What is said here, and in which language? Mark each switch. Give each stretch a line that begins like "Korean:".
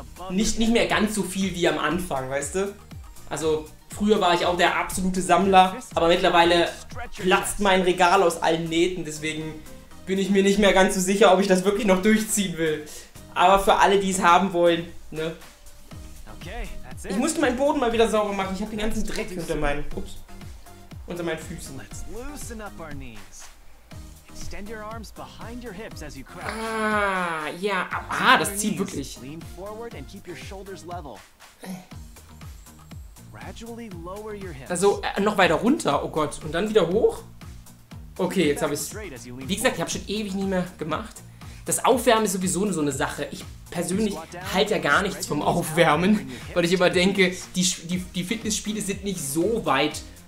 German: Nicht mehr ganz so viel wie am Anfang, weißt du? Also, früher war ich auch der absolute Sammler, aber mittlerweile platzt mein Regal aus allen Nähten, deswegen bin ich mir nicht mehr ganz so sicher, ob ich das wirklich noch durchziehen will. Aber für alle, die es haben wollen, ne? Ich musste meinen Boden mal wieder sauber machen. Ich habe den ganzen Dreck hinter meinen... Ups. Unter meinen Füßen.
English: Let's loosen up our knees. Extend your arms behind your hips as you crouch.
German: Das zieht wirklich.
English: Lean forward and keep your shoulders level. Gradually lower your hips.
German: Also noch weiter runter, oh Gott, und dann wieder hoch? Okay, jetzt habe ich es. Wie gesagt, ich habe schon ewig nicht mehr gemacht. Das Aufwärmen ist sowieso so eine Sache. Ich persönlich halte ja gar nichts vom Aufwärmen, weil ich immer denke, die Fitnessspiele sind nicht so weit.